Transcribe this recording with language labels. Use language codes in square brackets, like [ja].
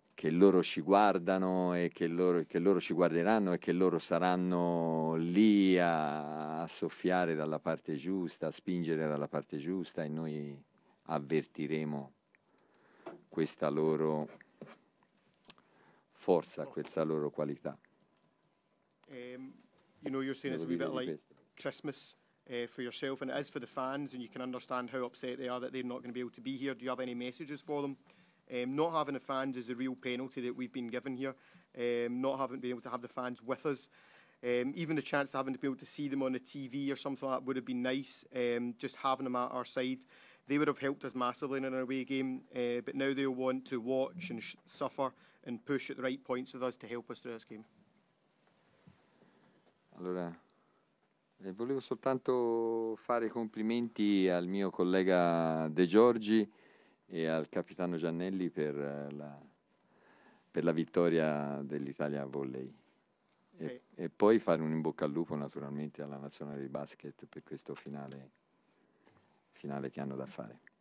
[it] loro ci guardano e che loro ci guarderanno e che loro saranno lì a soffiare dalla parte giusta, a spingere dalla parte giusta, e noi avvertiremo questa loro forza, questa loro qualità. [en] You know, you're saying it's a wee bit like Christmas for yourself, and it is for the fans, and you can understand how upset they are that they're not going to be able to be here. Do you have any messages for them? Not having the fans is a real penalty that we've been given here. Not having been able to have the fans with us. Even the chance of having to be able to see them on the TV or something like that would have been nice. Just having them at our side, they would have helped us massively in an away game. But now they'll want to watch and suffer and push at the right points with us to help us through this game. [it] Allora, volevo soltanto fare complimenti al mio collega De Giorgi e al capitano Giannelli per la vittoria dell'Italia a volley. E poi fare un in bocca al lupo naturalmente alla nazionale di basket per questo finale che hanno da fare.